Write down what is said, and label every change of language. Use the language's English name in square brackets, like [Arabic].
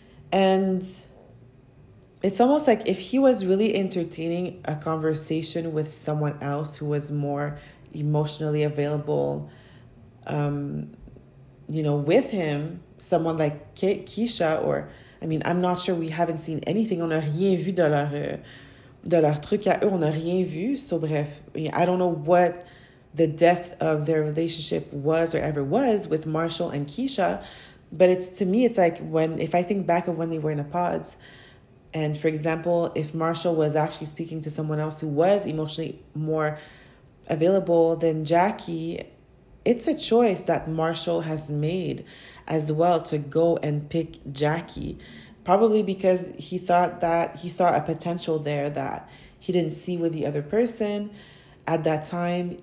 [English] And it's almost like if he was really entertaining a conversation with someone else who was more emotionally available, you know, with him, someone like Keisha, or, I mean, I'm not sure, we haven't seen anything. [French] On a rien vu de leur truc à eux. On a rien vu. [English] So, bref, I don't know what the depth of their relationship was or ever was with Marshall and Keisha. But it's, to me, it's like when, if I think back of when they were in the pods, and for example, if Marshall was actually speaking to someone else who was emotionally more available than Jackie, it's a choice that Marshall has made as well to go and pick Jackie, probably because he thought that he saw a potential there that he didn't see with the other person at that time.